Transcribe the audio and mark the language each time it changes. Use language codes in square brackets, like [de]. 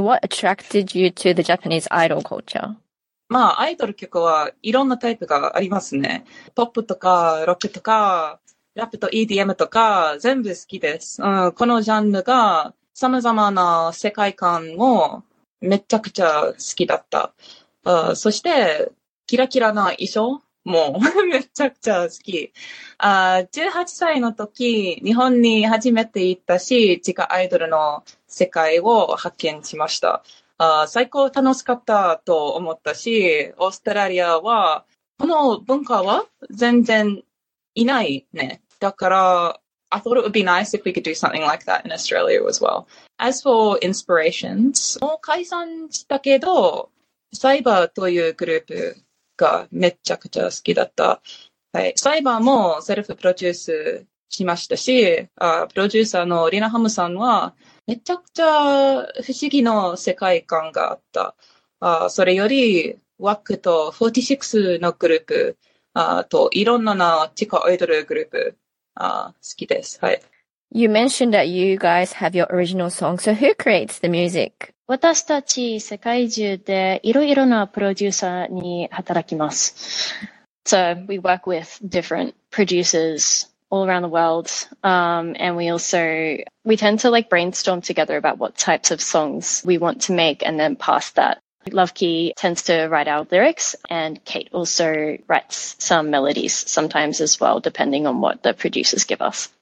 [en] What attracted you to the Japanese idol culture? [ja] まあ、アイドル曲はいろんなタイプがありますね。ポップとかロックとかラップと EDM とか全部好きです。このジャンルが様々な世界観をめちゃくちゃ好きだった。そしてキラキラな衣装?もうめちゃくちゃ好き。 18歳の時、日本に初めて行ったし、地下アイドルの世界を発見しました。最高楽しかったと思ったし、オーストラリアはこの文化は全然いないね。だから、 [en] I thought it would be nice if we could do something like that in Australia as well. As for inspirations, [ja] もう解散したけど、サイバーというグループがめちゃくちゃ好きだった。はい、サイバーもセルフプロデュースしましたし、プロデューサーのリナハムさんはめちゃくちゃ不思議の世界観があった。それよりワックと46のグループといろんな地下アイドルグループ好きです。はい。 You mentioned that you guys have your original song. So who creates the music? 私たち世界中でいろいろなプロデューサーに働きます。 [en] So we work with different producers all around the world. And we also, we tend to like brainstorm together about what types of songs we want to make and then pass that. Lovekey tends to write our lyrics and Kate also writes some melodies sometimes as well, depending on what the producers give us.